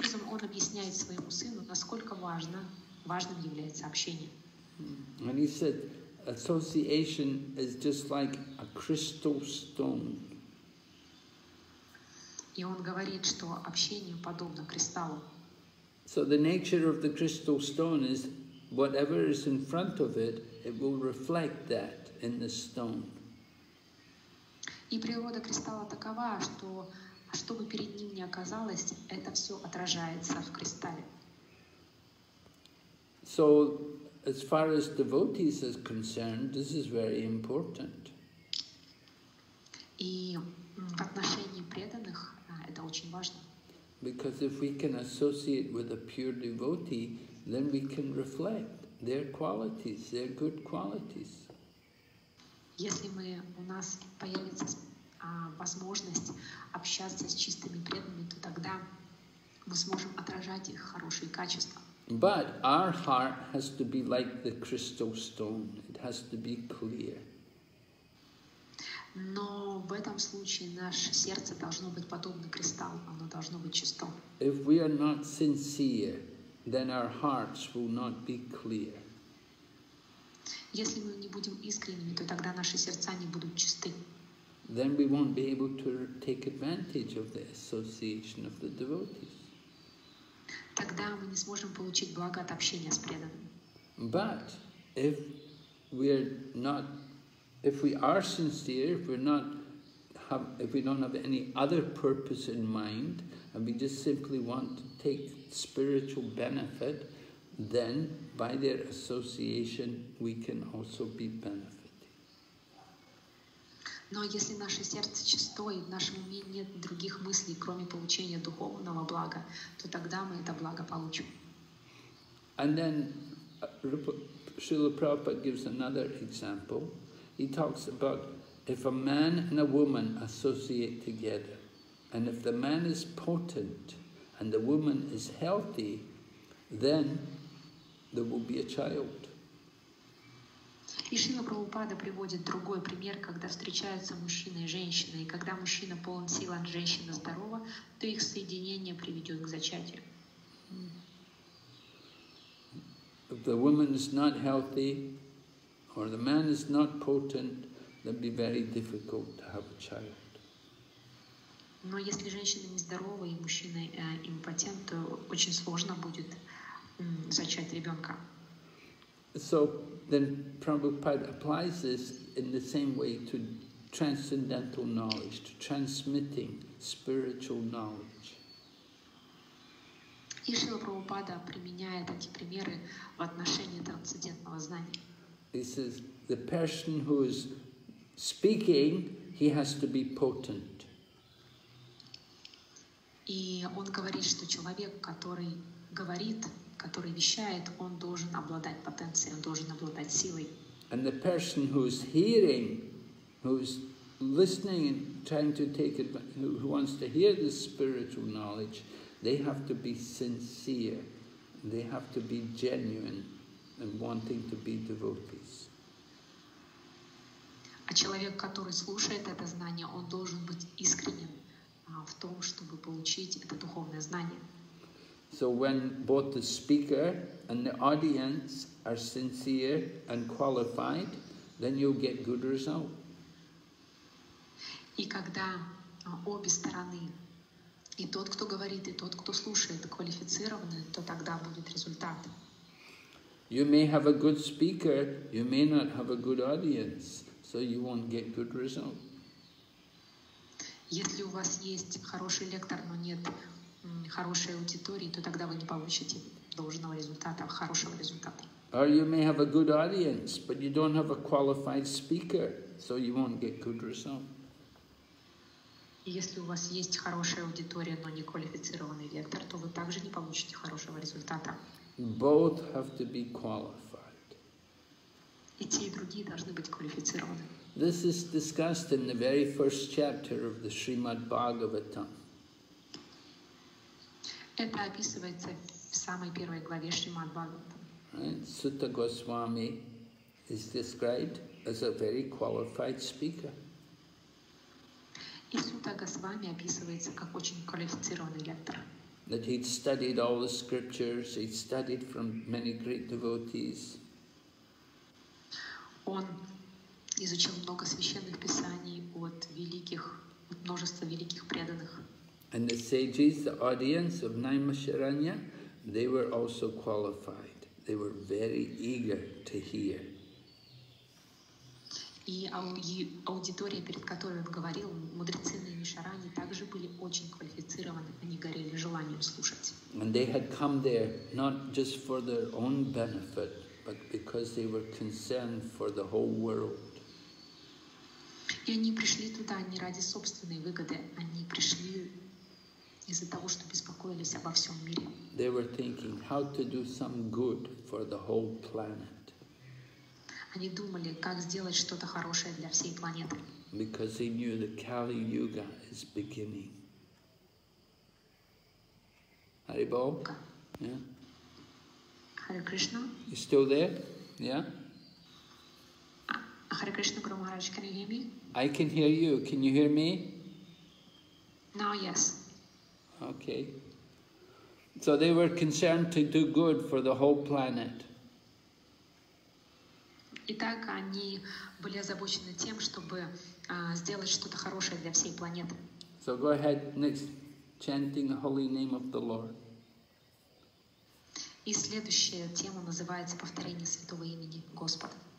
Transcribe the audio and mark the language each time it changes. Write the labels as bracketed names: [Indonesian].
[Russian] Он объясняет своему сыну, насколько важным является общение. [English] And he said, association is just like a crystal stone. [Russian] И он говорит, что общение подобно кристаллу. [English] So the nature of the crystal stone is whatever is in front of it, it will reflect that in the stone. [Russian] И природа кристалла такова, что что бы перед ним ни оказалось, это все отражается в кристалле. [English] So, as far as devotees is concerned, this is very important. [Russian] И в отношении преданных это очень важно. [English] Because if we can associate with a pure devotee, then we can reflect their qualities, their good qualities. [Russian] Если мы у нас появится возможность общаться с чистыми преданными, то тогда мы сможем отражать их хорошие качества. [English] But our heart has to be like the crystal stone. It has to be clear. [Russian] Но в этом случае наше сердце должно быть подобно кристаллу, оно должно быть чисто. [English] If we are not sincere, then our hearts will not be clear. [Russian] Если мы не будем искренними, то тогда наши сердца не будут чисты. [English] Then we won't be able to take advantage of the association of the devotees. [Russian] Тогда мы не сможем получить благо от общения с преданными. [English] But if we are not, if we are sincere, if we're not, have, if we don't have any other purpose in mind, and we just simply want to take spiritual benefit, then by their association we can also be benefited. [Russian] Но если наше сердце чисто и в нашем уме нет других мыслей, кроме получения духовного блага, то тогда мы это благо получим. [English] And then Srila Prabhupada gives another example. He talks about if a man and a woman associate together, and if the man is potent and the woman is healthy, then there will be a child. [Russian] И Шрила Прабхупада приводит другой пример, когда встречаются мужчина и женщина, и когда мужчина полон сил, а женщина здорова, то их соединение приведет к зачатию. [English] If the woman is not healthy, or the man is not potent, then be very difficult to have a child. [Russian] Но если женщина нездорова и мужчина импотент, то очень сложно будет зачать ребенка. [English] So then Prabhupada applies this in the same way to transcendental knowledge, to transmitting spiritual knowledge. [Russian] И Шрила Прабхупада применяет эти примеры в отношении трансцендентного знания. [English] He says, the person who is speaking, he has to be potent. [Russian] И он говорит, что человек, который говорит, который вещает, он должен обладать потенцией, он должен обладать силой. [English] And the person who is hearing, who is listening and trying to take it, who wants to hear the spiritual knowledge, they have to be sincere, they have to be genuine and wanting to be devotees. [Russian] А человек, который слушает это знание, он должен быть искренним в том, чтобы получить это духовное знание. [English] So when both the speaker and the audience are sincere and qualified, then you'll get good result. [Russian] И когда обе стороны, и тот, кто говорит, и тот, кто слушает, квалифицированы, то тогда будет результат. [English] You may have a good speaker, you may not have a good audience, so you won't get good result. [Russian] Если у вас есть хороший лектор, но нет хорошей аудитории, то тогда вы не получите должного результата, хорошего результата. [English] Or you may have a good audience, but you don't have a qualified speaker, so you won't get good result. [Russian] Если у вас есть хорошая аудитория, но не квалифицированный лектор, то вы также не получите хорошего результата. [English] Both have to be qualified. [Russian] И те, и другие должны быть квалифицированы. [English] This is discussed in the very first chapter of the Srimad Bhagavatam. [Russian] Это описывается в самой первой главе Шримад Бхагаватам. [English] Сутта Госвами is described as a very qualified speaker. [Russian] И Сутта Госвами описывается как очень квалифицированный лектор. [English] That he'd studied all the scriptures, he'd studied from many great devotees. [Russian] Он изучил много священных писаний от великих, от множества великих преданных. [English] And the sages, the audience of Naimasharanya, they were also qualified. They were very eager to hear. [Russian] И аудитория, перед которой он говорил, мудрецы Наимасхарани, также были очень квалифицированы, они горели желанием слушать. [English] And they had come there not just for their own benefit, but because they were concerned for the whole world. [Russian] И они пришли туда не ради собственной выгоды, они пришли из-за того, что беспокоились обо всем мире. [English] They were thinking how to do some good for the whole planet. [Russian] Они думали, как сделать что-то хорошее для всей планеты. [English] Because they knew the Kali Yuga is beginning. Hare Bol. Okay. Yeah. Hare Krishna. You still there? Yeah. Hare Krishna Guru Maharaj, can you hear me? I can hear you. Can you hear me? Now, yes. Okay. So they were concerned to do good for the whole planet. [Russian] Итак, они были озабочены тем, чтобы сделать что-то хорошее для всей планеты. [English] So go ahead, next, chanting the holy name of the Lord. [Russian] И следующая тема называется повторение святого имени Господа.